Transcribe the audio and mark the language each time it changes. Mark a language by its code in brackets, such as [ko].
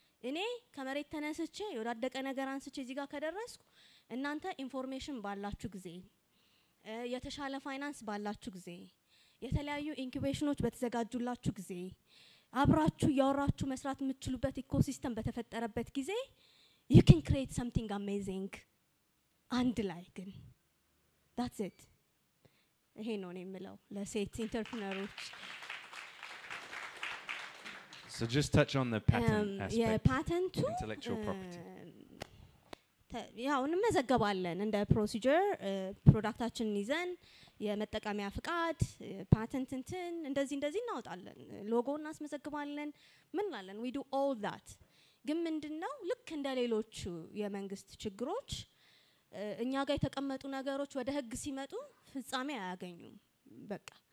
[am] እኔ ከመሬት ተነስቼ የወዳደቀ ነገር አንስቼ እዚህ ጋር ከደረስኩ እናንተ ኢንፎርሜሽን ባላችሁ ጊዜ የተሻለ ፋይናንስ ባላችሁ ጊዜ የተለያዩ ኢንኩቤሽኖች በተዘጋጁላችሁ ጊዜ አብራችሁ ያወራችሁ መስራት የምትችሉበት ኢኮሲስተም በተፈጠረበት ጊዜ [en] you can create something amazing and like that's it [am] ይሄ ነው እኔ የምለው ለሴት ኢንተርፕረነሮች [en] So just touch on the patent aspect. Yeah, patent too. Intellectual property. [am] ያው እንመዘገባለን እንደ procedure productachin izen የመጠቃሚያ ፍቃድ patent እንትን እንደዚህ እንደዚህ እናወጣለን logo እናስመዘግባለን ምንላለን [en] we do all that. [am] ግን ምንድነው ልክ እንደ ሌሎቹ የመንግስት ችግሮች እኛ ጋር የተቀመጡ ነገሮች ወደ ህግ ሲመጡ ፍጻሜ አያገኙም በቃ